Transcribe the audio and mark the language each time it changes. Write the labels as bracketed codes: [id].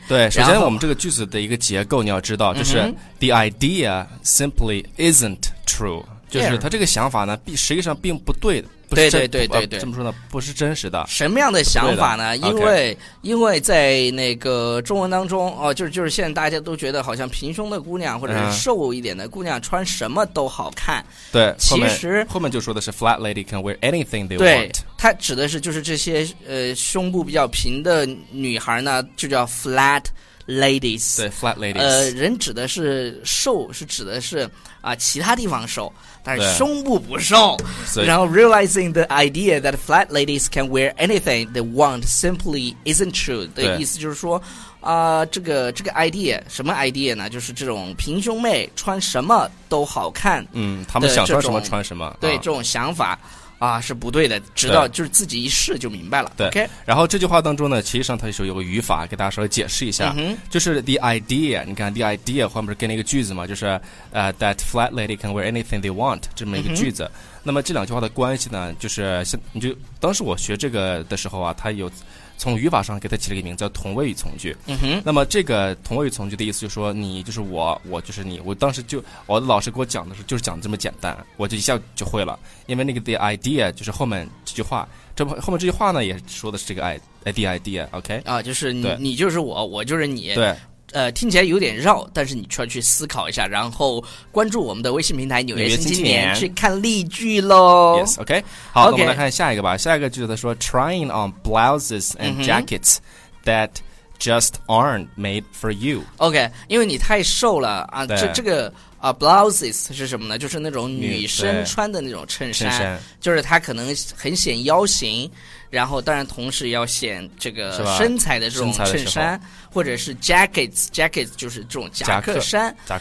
[zh] 对，首先我们这个句子的一个结构你要知道，就是、嗯、 [en] The idea simply isn't true， [zh] 就是他这个想法呢实际上并不对的。不是，对对对对对，这么说呢不是真实的。什么样的想法呢？因为、okay. 因为在那个中文当中哦、就是现在大家都觉得好像平胸的姑娘或者是瘦一点的姑娘穿什么都好看。对、嗯、其实后面就说的是 [en] flat lady can wear anything they 对 want。 [zh] 对，他指的是就是这些胸部比较平的女孩呢就叫 flat ladies。对， flat ladies。人指的是瘦是指的是其他地方瘦。但是胸部不瘦，然后 [en] realizing the idea that flat ladies can wear anything they want simply isn't true [zh] 的意思就是说，这个 idea 什么 idea 呢？就是这种平胸妹穿什么都好看，嗯，他们想穿什么穿什么，对，这种想法啊是不对的，直到就是自己一试就明白了。对， [en] okay? [zh] 然后这句话当中呢，其实上它是有个语法，给大家稍微解释一下，嗯、就是 the idea， 你看 the idea 后面跟那个句子嘛，就是 [en] that flat lady can wear anything they want [zh] 这么一个句子、嗯。那么这两句话的关系呢，就是你就当时我学这个的时候啊，它有从语法上给它起了一个名字叫同位语从句。嗯哼。那么这个同位语从句的意思就是说，你就是我，我就是你。我当时就我的老师给我讲的时候，就是讲这么简单，我就一下就会了。因为那个 the idea 就是后面这句话，这后面这句话呢也说的是这个 idea。 OK。啊，就是你就是我，我就是你。对。听起来有点绕，但是你需要去思考一下，然后关注我们的微信平台纽约新青年去看例句喽。 [en] Yes, OK， 好， [zh] 那我们来看下一个吧。下一个句子说 [en] ，trying on blouses and jackets、mm-hmm. that just aren't made for you。 [zh] OK， 因为你太瘦了啊，这个。blouses 是什么呢？就是那种女生穿的那种衬衫，就是它可能很显腰型，然后当然同时要显这个身材的这种衬衫，或者是 jackets 就是这种夹克衫。